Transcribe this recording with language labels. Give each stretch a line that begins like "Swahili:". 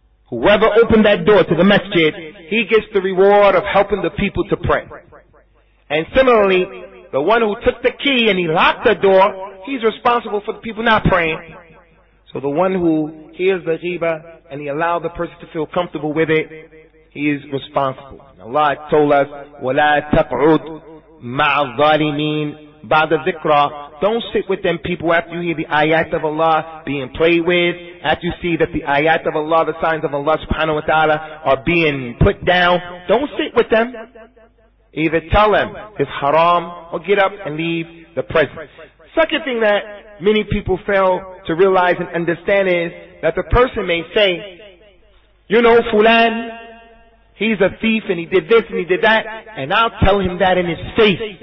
English: Whoever opened that door to the masjid, he gets the reward of helping the people to pray. And similarly, the one who took the key and he locked the door, he's responsible for the people not praying. So the one who hears the ghibah and he allowed the person to feel comfortable with it, he is responsible. And Allah told us,
Arabic: وَلَا تَقْعُدْ مَعَ الظَّالِمِينَ بَعْدَ ذِكْرَى.
English: Don't sit with them people after you hear the ayat of Allah being played with, after you see that the ayat of Allah, the signs of Allah subhanahu wa ta'ala are being put down. Don't sit with them. Either tell them it's haram or get up and leave the presence. Second thing that many people fail to realize and understand is that the person may say, you know, Fulan, he's a thief and he did this and he did that, and I'll tell him that in his face.